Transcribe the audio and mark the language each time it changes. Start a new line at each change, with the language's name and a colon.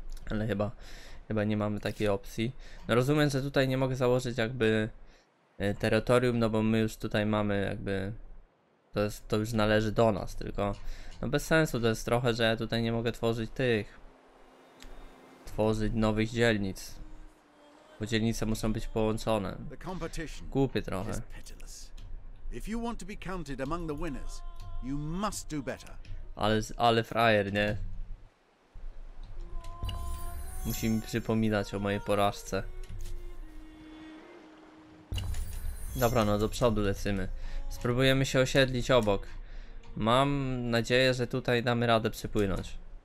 Polish: Ale chyba nie mamy takiej opcji. No rozumiem, że tutaj nie mogę założyć jakby terytorium, no bo my już tutaj mamy jakby. To już należy do nas, tylko. No bez sensu to jest trochę, że ja tutaj nie mogę tworzyć nowych dzielnic. Bo dzielnice muszą być połączone.
English: The competition
Polish: Głupie
English: is
Polish: trochę.
English: pitiless. If you want to be counted among the winners, you must do better.
Polish: Ale frajer, nie? Musi mi przypominać o mojej porażce. Dobra, no do przodu lecimy. Spróbujemy się osiedlić obok. Mam nadzieję, że tutaj damy radę przypłynąć.